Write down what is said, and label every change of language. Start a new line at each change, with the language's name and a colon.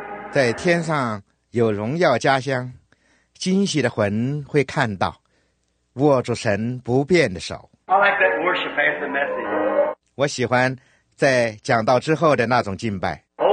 Chinese: 在天上有荣耀家乡，惊喜的魂会看到。握住神不变的手。
English: I like that worship as the message.
Chinese: 我喜欢在讲道之后的那种敬拜。